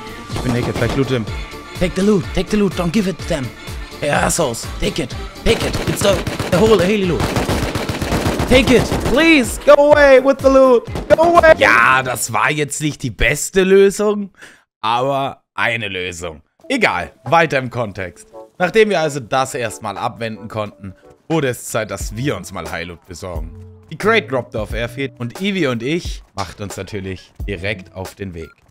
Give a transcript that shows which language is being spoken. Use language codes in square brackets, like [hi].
[de] Ich bin naked, vielleicht [en] loot him. Take the loot, don't give it to them. Hey assholes, take it, it's the whole heli loot. Take it, please, go away with the loot, go away. [de] Ja, das war jetzt nicht die beste Lösung, aber eine Lösung. Egal, weiter im Kontext. Nachdem wir also das erstmal abwenden konnten, wurde es Zeit, dass wir uns mal High Loot besorgen. Die Crate droppte auf Airfield und Evie und ich macht uns natürlich direkt auf den Weg.